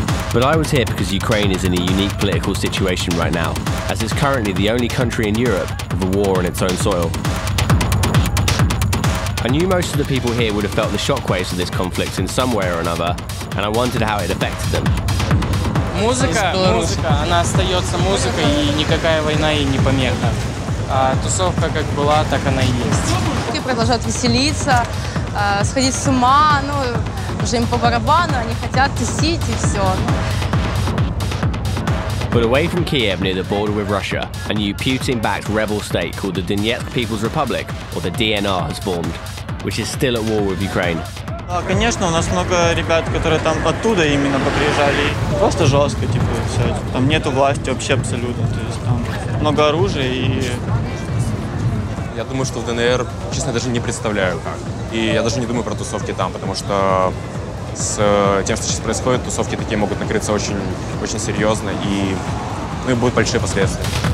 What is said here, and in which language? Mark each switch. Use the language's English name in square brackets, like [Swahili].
[English] But I was here because Ukraine is in a unique political situation right now, as it's currently the only country in Europe with a war on its own soil. I knew most of the people here would have felt the shockwaves of this conflict in some way or another, and I wondered how it affected them. [Russian] Музыка, музыка, она остается музыкой, и никакая война ей не помеха. А тусовка как была, так она и есть. И продолжают веселиться, сходить с ума, ну. Уже им по барабану, они хотят тусить и все. [English] But away from Kiev, near the border with Russia, a new Putin-backed rebel state called the Donetsk People's Republic, or the DNR, has formed, which is still at war with Ukraine. [Russian] Конечно, у нас много ребят, которые там оттуда именно поприезжали. Просто жестко, типа, все. Там нету власти вообще абсолютно. То есть там много оружия и. Я думаю, что в ДНР, честно, даже не представляю как. И я даже не думаю про тусовки там, потому что с тем, что сейчас происходит, тусовки такие могут накрыться очень, очень серьезно, и, ну, и будут большие последствия.